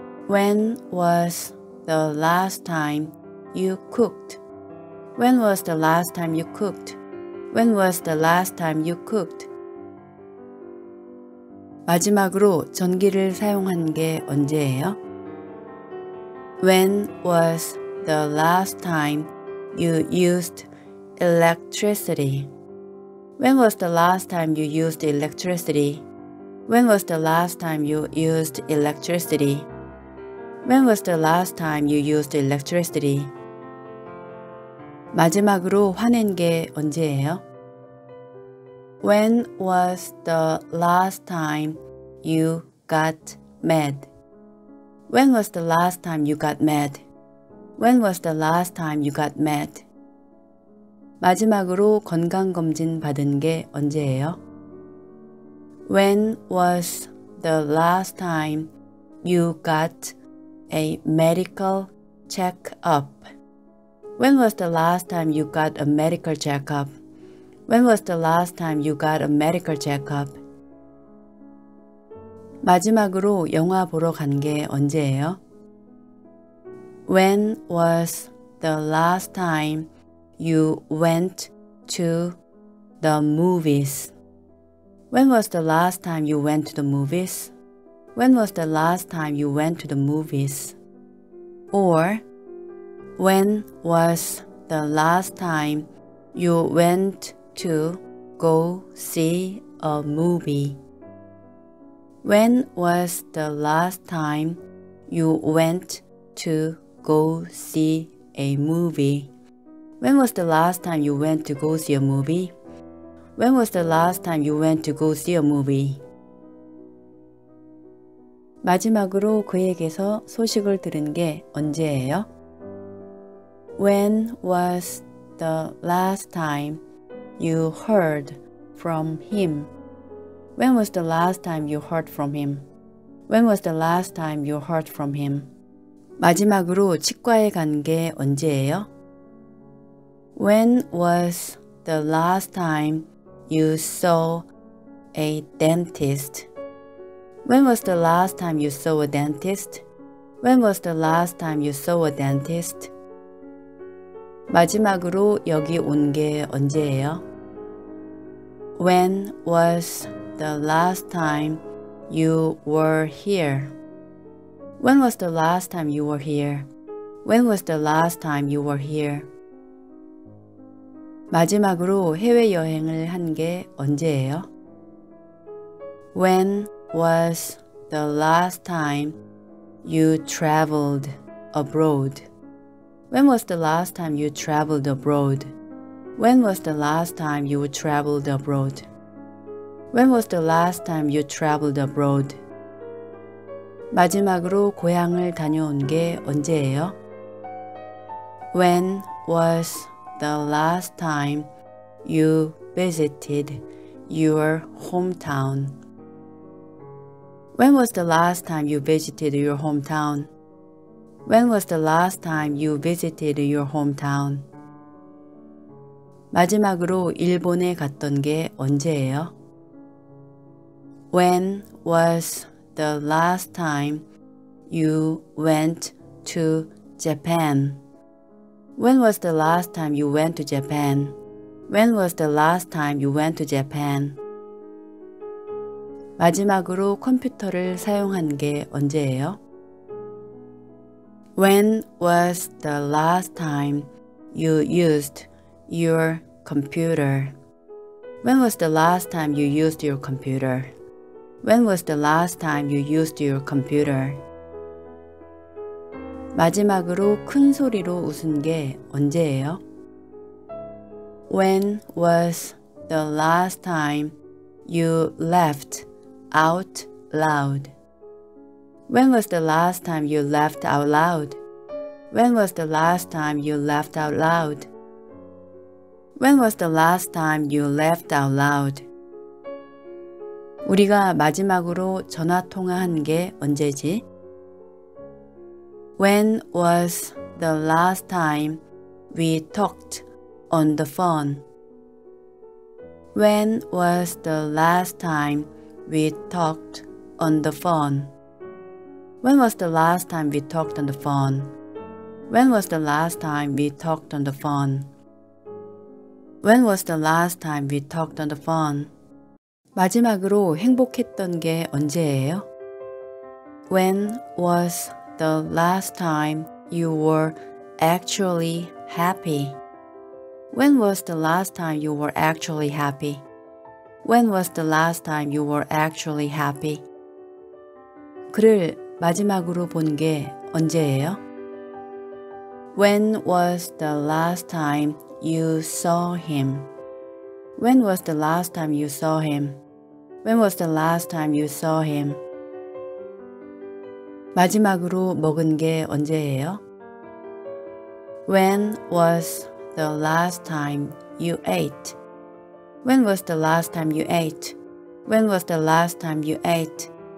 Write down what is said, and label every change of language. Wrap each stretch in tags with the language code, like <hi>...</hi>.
<en>When was the last time you cooked? When was the last time you cooked? When was the last time you cooked?</en> <ko>마지막으로 전기를 사용한 게 언제예요?</ko> <en>When was the last time you used electricity? When was the last time you used electricity? When was the last time you used electricity? When was the last time you used electricity?</en> <ko>마지막으로 화낸 게 언제예요?</ko> <en>When was the last time you got mad? When was the last time you got mad? When was the last time you got mad?</en> <ko>마지막으로 건강검진 받은 게 언제예요?</ko> <en>When was the last time you got a medical checkup? When was the last time you got a medical checkup? When was the last time you got a medical checkup?</en> <ko>마지막으로 영화 보러 간 게 언제예요?</ko> <en>When was the last time you went to the movies? When was the last time you went to the movies? When was the last time you went to the movies? Or when was the last time you went to go see a movie? When was the last time you went to go see a movie? When was the last time you went to go see a movie? When was the last time you went to go see a movie?</en> <ko>마지막으로 그에게서 소식을 들은 게 언제예요?</ko> <en>When was the last time you heard from him? When was the last time you heard from him? When was the last time you heard from him?</en> <ko>마지막으로 치과에 간 게 언제예요?</ko> <en>When was the last time you saw a dentist? When was the last time you saw a dentist? When was the last time you saw a dentist?</en> <ko>마지막으로 여기 온 게 언제예요?</ko> <en>When was the last time you were here? When was the last time you were here? When was the last time you were here?</en> <ko>마지막으로 해외여행을 한 게 언제예요?</ko> <en>When was the last time you traveled abroad? When was the last time you traveled abroad? When was the last time you traveled abroad? When was the last time you traveled abroad?</en> <ko>마지막으로 고향을 다녀온 게 언제예요?</ko> <en>When was the last time you visited your hometown? When was the last time you visited your hometown? When was the last time you visited your hometown?</en> <ko>마지막으로 일본에 갔던 게 언제예요?</ko> <en>When was the last time you went to Japan? When was the last time you went to Japan? When was the last time you went to Japan?</en> <ko>마지막으로 컴퓨터를 사용한 게 언제예요?</ko> <en>When was the last time you used your computer? When was the last time you used your computer? When was the last time you used your computer?</en> <ko>마지막으로 큰 소리로 웃은 게 언제예요?</ko> <en>When was the last time you laughed out loud? When was the last time you laughed out loud? When was the last time you laughed out loud? When was the last time you laughed out loud?</en> <ko>우리가 마지막으로 전화 통화한 게 언제지?</ko> <en>When was the last time we talked on the phone? When was the last time we talked on the phone? When was the last time we talked on the phone? When was the last time we talked on the phone? When was the last time we talked on the phone?</en> <ko>마지막으로 행복했던 게 언제예요?</ko> <en>When was the last time you were actually happy? When was the last time you were actually happy? When was the last time you were actually happy?</en> <ko>그를 마지막으로 본 게 언제예요?</ko> <en>When was the last time you saw him? When was the last time you saw him? When was the last time you saw him?</en> <ko>마지막으로 먹은 게 언제예요?</ko> <en>When was the last time you ate? When was the last time you ate? When was the last time you ate?</en>